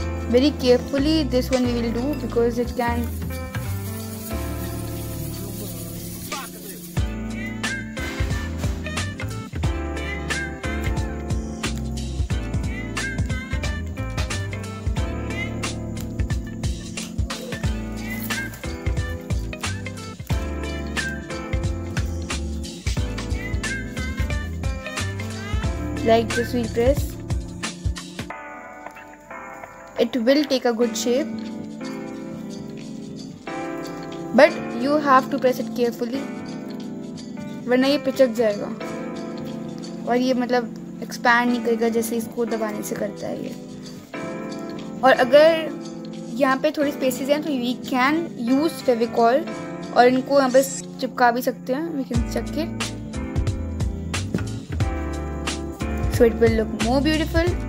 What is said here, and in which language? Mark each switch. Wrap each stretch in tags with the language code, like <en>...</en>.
<en>very carefully this one we will do, because it can like this. We press it, will take a good shape, but you have to press it carefully,</en> <hi>वरना ये पिचक जायेगा और ये मतलब expand नहीं करेगा जैसे इसको दबाने से करता है ये। और अगर यहाँ पे थोड़ी spaces हैं तो</hi> <en>we can use</en> <hi>फेविकोल और इनको यहाँ पे चिपका भी सकते हैं।</hi> <en>We can check it. So it will look more beautiful.</en>